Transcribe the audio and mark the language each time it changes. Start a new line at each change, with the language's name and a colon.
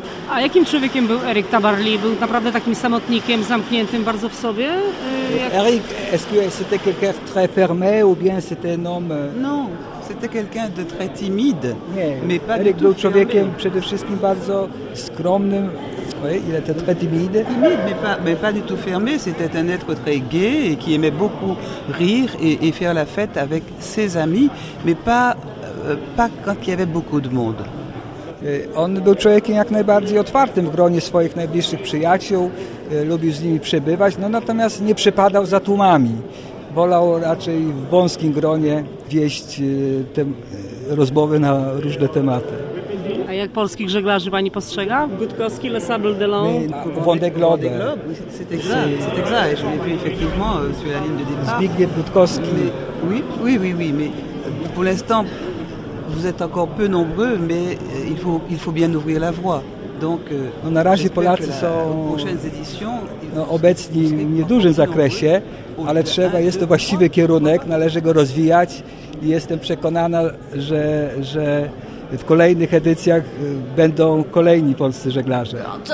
Polish: A jakim człowiekiem był Erik Tabarly? Był naprawdę takim samotnikiem, zamkniętym bardzo w sobie?
French: Erik, est-ce que c'était quelqu'un très fermé ou bien c'était un homme? Non, c'était quelqu'un de très timide.
Polish: Nie, Erik był człowiekiem przede wszystkim bardzo skromnym,
French: Oui, il était très timide. Timide, mais pas du tout fermé. C'était un être très gai et qui aimait beaucoup rire et faire la fête avec ses amis, mais pas quand il y avait beaucoup de monde.
Polish: On był człowiekiem jak najbardziej otwartym w gronie swoich najbliższych przyjaciół, lubił z nimi przebywać, no natomiast nie przepadał za tłumami. Wolał raczej w wąskim gronie wieść te rozmowy na różne tematy. A jak polskich żeglarzy pani postrzega?
French: Gutkowski, Le Sable de Long, Vendée Globe. C'est exact, je l'ai vu effectivement sur la ligne de départ.
Polish: Zbigniew Gutkowski.
French: Oui, mais pour l'instant... Vous êtes encore peu nombreux, mais il faut bien ouvrir la voie. Donc,
Polish: no, na razie Polacy są obecni w niedużym zakresie, ale trzeba, jest to właściwy kierunek, należy go rozwijać i jestem przekonana, że w kolejnych edycjach będą kolejni polscy żeglarze.